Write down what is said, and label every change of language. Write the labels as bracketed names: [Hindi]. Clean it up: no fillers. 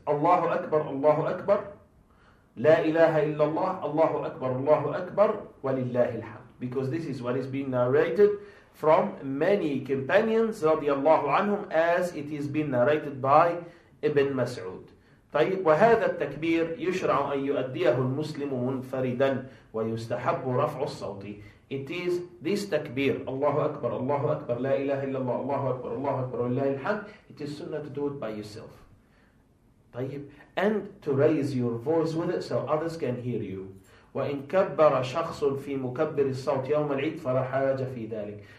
[Arabic] Allahu Akbar, Allahu Akbar. La ilaha illallah. Allahu Akbar, Allahu Akbar. وَلِلَّهِ الْحَمْدُ. [English] Because this is what is being narrated from many companions, radiallahu anhum, as it is being narrated by Ibn Mas'ud. [Arabic] طيب, وهذا التكبير يشرع أن يؤديه المسلم منفردا ويستحب رفع الصوت. [English] It is this takbir, [Arabic] Allahu Akbar, Allahu Akbar, La ilaha illallah, Allahu Akbar, [English] Allahu Akbar, Allahu Akbar, it is sunnah to do it by yourself. طيب, and to raise your voice with it so others can hear you. [Arabic] وَإِن كَبَّرَ شَخْصٌ فِي مُكَبِّرِ الصَّوْتِ يَوْمَ الْعِيدِ فَلَا حَاجَ فِي ذَلِكَ.